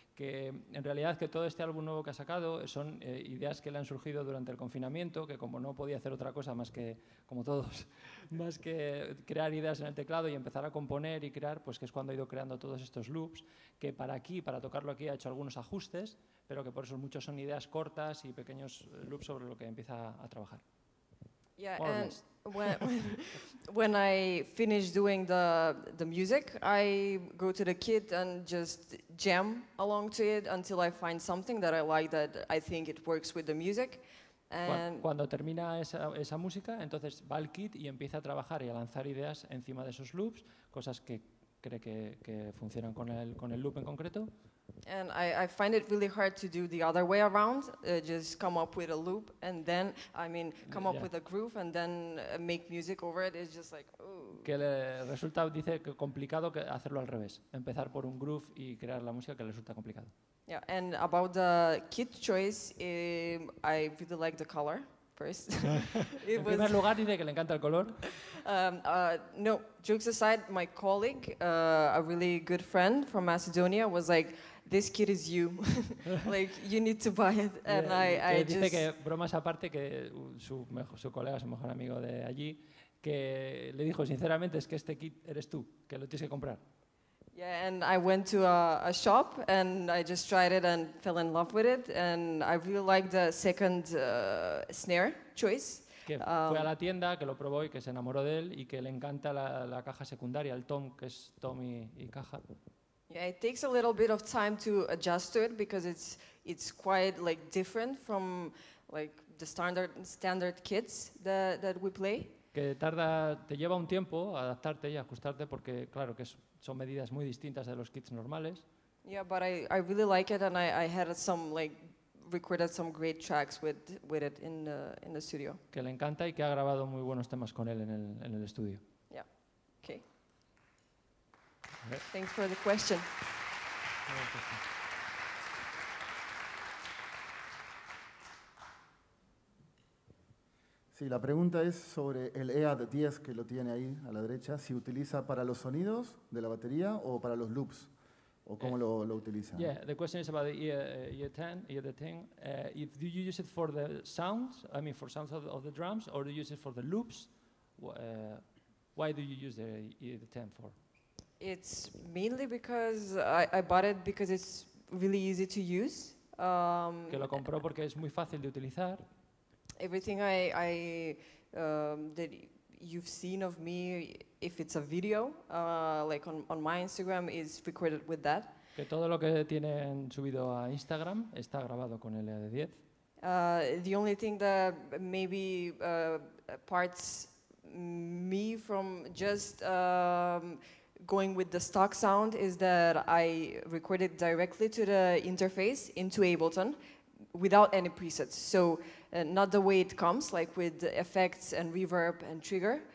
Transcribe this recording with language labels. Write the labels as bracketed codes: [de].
[es] Que en realidad que todo este álbum nuevo que ha sacado son ideas que le han surgido durante el confinamiento, que como no podía hacer otra cosa más que como todos. Más que crear ideas en el teclado y empezar a componer y crear, pues que es cuando ha ido creando todos estos loops, que para aquí, para tocarlo aquí, ha hecho algunos ajustes, pero que por eso muchos son ideas cortas y pequeños loops sobre lo que empieza a trabajar. [en] Yeah, more and when I finish doing the music, I go to the kit and just jam along to it until I find something that I like, that I think it works with the music. [es] Cuando termina esa música, entonces va al kit y empieza a trabajar y a lanzar ideas encima de esos loops, cosas que cree que funcionan con el loop en concreto. [en] And I find it really hard to do the other way around, just come up with a loop and then, I mean, come up with a groove and then make music over it. It's just like, ooh. [es] Que le resulta, dice, que complicado que hacerlo al revés, empezar por un groove y crear la música, que le resulta complicado. [en] Yeah, and about the kit choice, I really like the color first. [es] En primer lugar, dice que le encanta el color. [en] No, jokes aside, my colleague, a really good friend from Macedonia, was like, this kit is you. Like, you need to buy it. And yeah, I [es] dice que, bromas aparte, que su colega, su mejor amigo de allí, que le dijo sinceramente, es que este kit eres tú, que lo tienes que comprar. [en] Yeah, and I went to a shop and I just tried it and fell in love with it. And I really liked the second snare choice. [es] Que fue a la tienda, que lo probó y que se enamoró de él y que le encanta la caja secundaria, el tom, que es tom y caja. [en] Yeah, it takes a little bit of time to adjust to it because it's quite like different from like the standard kits that we play. [es] Que te lleva un tiempo adaptarte y ajustarte porque claro que son medidas muy distintas de los kits normales. [en] Yeah, but I really like it and I had some like recorded some great tracks with it in the studio. [es] Que le encanta y que ha grabado muy buenos temas con él en el estudio. [en] Yeah. Okay. Okay. Thanks for the question. [es] Sí, la pregunta es sobre el EAD 10 que lo tiene ahí a la derecha, si utiliza para los sonidos de la batería o para los loops, o cómo lo utiliza. [en] Yeah, the question is about the EAD 10, if do you use it for the sounds, I mean for sounds of the drums, or do you use it for the loops, why do you use the EAD 10 for? It's mainly because I bought it because it's really easy to use. [es] Que lo compró porque es muy fácil de utilizar. [en] Everything I that you've seen of me, if it's a video, like on my Instagram, is recorded with that. [es] Que todo lo que tienen subido a Instagram está grabado con el EAD 10. [en] The only thing that maybe parts me from just going with the stock sound is that I recorded directly to the interface into Ableton without any presets. So not the way it comes, like with effects and reverb and trigger,